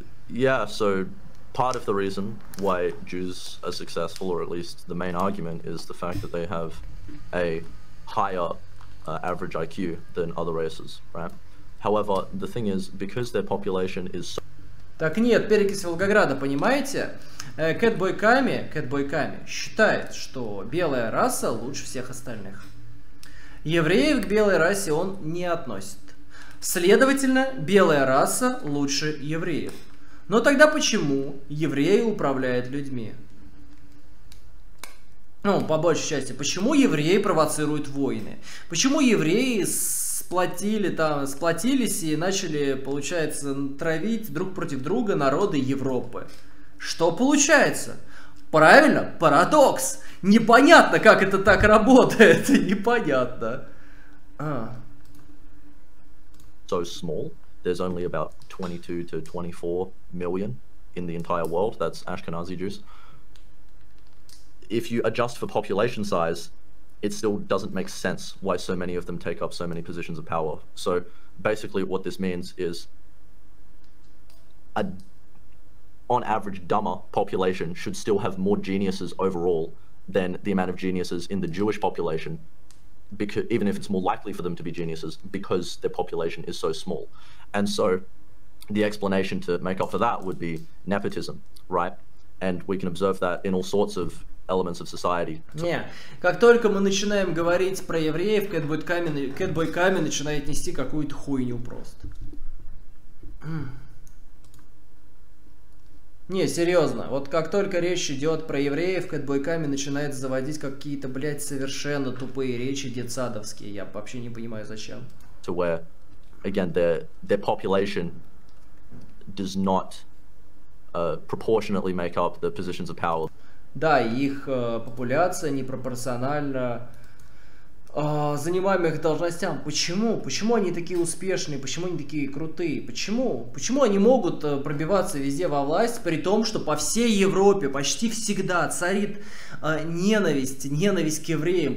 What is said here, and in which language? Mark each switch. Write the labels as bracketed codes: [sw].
[en] Yeah, so part of the reason why Jews are successful, or at least the main argument, is the fact that they have a higher average IQ than other races, right? However, the thing is, because their population is so... [ru] Так нет, перекись Волгограда, понимаете? Кэтбойками считает, что белая раса лучше всех остальных. Евреев к белой расе он не относит. Следовательно, белая раса лучше евреев. Но тогда почему евреи управляют людьми? Ну, по большей части, почему евреи провоцируют войны? Почему евреи сплотились и начали, получается, травить друг против друга народы Европы? Что получается? Правильно? Парадокс. Непонятно, как это так работает. Непонятно. А. [en] So small, there's only about 22 to 24 million in the entire world, that's Ashkenazi Jews. If you adjust for population size, it still doesn't make sense why so many of them take up so many positions of power. So basically what this means is a on average, dumber population should still have more geniuses overall than the amount of geniuses in the Jewish population, because even if it's more likely for them to be geniuses, because their population is so small. And so the explanation to make up for that would be nepotism, right? And we can observe that in all sorts of elements of society. [ru] Как только мы начинаем говорить про евреев, Кэтбой Камми начинает нести какую-то хуйню просто. Не, серьезно, вот как только речь идет про евреев, Кэтбой Камми начинает заводить какие-то, блядь, совершенно тупые речи детсадовские. Я вообще не понимаю, зачем. [en] To where, again, their population does not proportionately make up the positions of power. [ru] Да, их популяция непропорционально занимаемых должностям. Почему? Почему они такие успешные? Почему они такие крутые? Почему? Почему они могут пробиваться везде во власть, при том, что по всей Европе почти всегда царит ненависть к евреям.